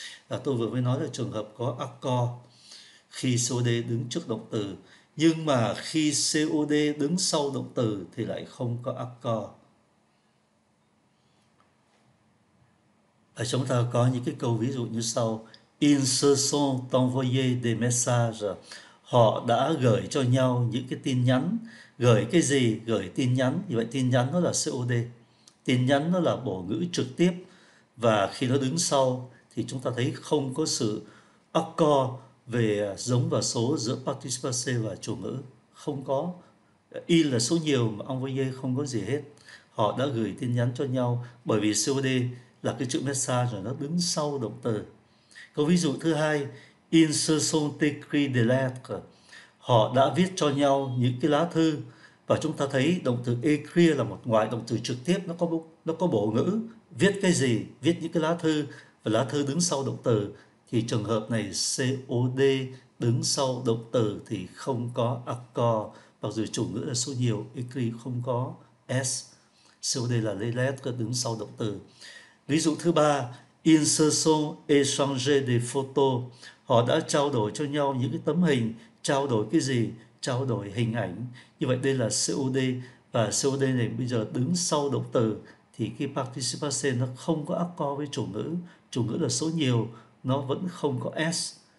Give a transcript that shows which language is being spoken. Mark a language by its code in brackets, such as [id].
[vi] Là tôi vừa mới nói là trường hợp có accord khi COD đứng trước động từ, nhưng mà khi COD đứng sau động từ thì lại không có accord. Và chúng ta có những cái câu ví dụ như sau. [fr] Ils se sont envoyés des messages. [vi] Họ đã gửi cho nhau những cái tin nhắn. Gửi cái gì? Gửi tin nhắn. Như vậy tin nhắn nó là COD. Tin nhắn nó là bổ ngữ trực tiếp. Và khi nó đứng sau thì chúng ta thấy không có sự accord về giống và số giữa participe và chủ ngữ. Không có. In là số nhiều mà envoyer không có gì hết. Họ đã gửi tin nhắn cho nhau bởi vì COD là cái chữ message rồi nó đứng sau động từ. Câu ví dụ thứ hai, [fr] ils se sont écrits des lettres. [vi] Họ đã viết cho nhau những cái lá thư, và chúng ta thấy động từ écrire là một ngoại động từ trực tiếp, nó có bổ ngữ viết cái gì, viết những cái lá thư, và lá thư đứng sau động từ, thì trường hợp này COD đứng sau động từ thì không có accord, mặc dù chủ ngữ là số nhiều, écrit không có s, COD là les lettres đứng sau động từ. Ví dụ thứ ba, [fr] ils se sont échangés des photos. [vi] Họ đã trao đổi cho nhau những cái tấm hình. Trao đổi cái gì? Trao đổi hình ảnh. Như vậy đây là COD, và COD này bây giờ đứng sau động từ thì cái participation nó không có accord với chủ ngữ. Chủ ngữ là số nhiều, nó vẫn không có s.